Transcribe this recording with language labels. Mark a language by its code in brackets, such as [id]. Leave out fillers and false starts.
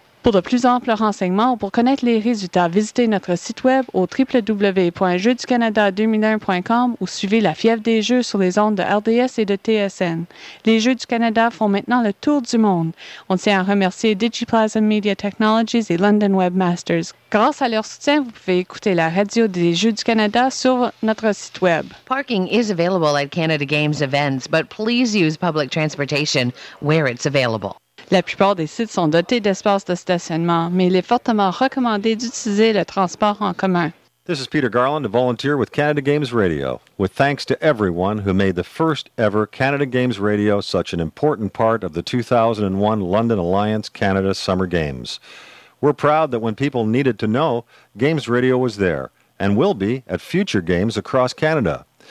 [fr] Pour de plus amples renseignements ou pour connaître les résultats, visitez notre site web au www.jeuxducanada2001.com ou suivez la fièvre des Jeux sur les ondes de RDS et de TSN. Les Jeux du Canada font maintenant le tour du monde. On tient à remercier Digiplasm Media Technologies et London Webmasters. Grâce à leur soutien, vous pouvez écouter la radio des Jeux du Canada sur notre site web. [en] Parking is available at Canada Games events, but please use public transportation where it's available. [fr] La plupart des sites sont dotés d'espaces de stationnement, mais il est fortement recommandé d'utiliser le transport en commun. [en] This is Peter Garland, a volunteer with Canada Games Radio. With thanks to everyone who made the first ever Canada Games Radio such an important part of the 2001 London Alliance Canada Summer Games. We're proud that when people needed to know, Games Radio was there, and will be at future games across Canada.